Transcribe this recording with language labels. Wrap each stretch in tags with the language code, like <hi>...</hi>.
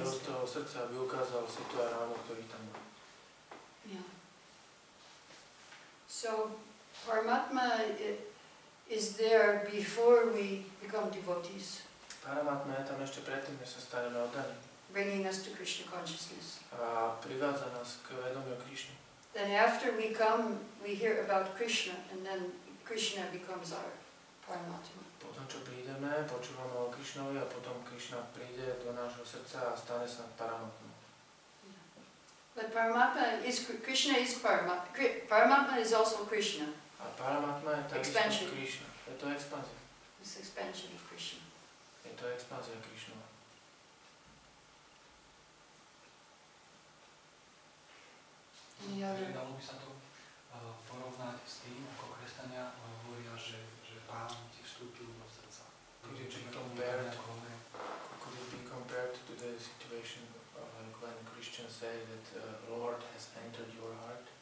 <sk>On si od toho srdca vyukázal Sitaramu, ktorý tam bol.</sk> <en>Yeah. So Paramatma, is there before we become devotees?</en> <sk>Paramatma je tam ešte predtým, než sa staneme oddaní.</sk> <en>Bringing us to Krishna consciousness.</en> <sk>A privádza nás k vedomiu Krishna.</sk> <en>Then after we come, we hear about Krishna, and then Krishna becomes our Paramatma.</en> <sk>Potom čo prídeme, počúvame o Krishnovi a potom Krishna príde do nášho srdca a stane sa Paramatma.</sk> <en>But Paramatma is Krishna is Paramatma. Paramatma is also Krishna.</en> <sk>A Paramatma je takisto Krishna. Je to expanzia.</sk> <en>It's expansion of Krishna.</en> <sk>Je to expanzia Krishna. Dalo by sa to porovnať s tým, ako kresťania hovoria, že Pán ti vstúpil do srdca.</sk> <en>Could it be compared to the situation like when Christians say that Lord has entered your heart?</en>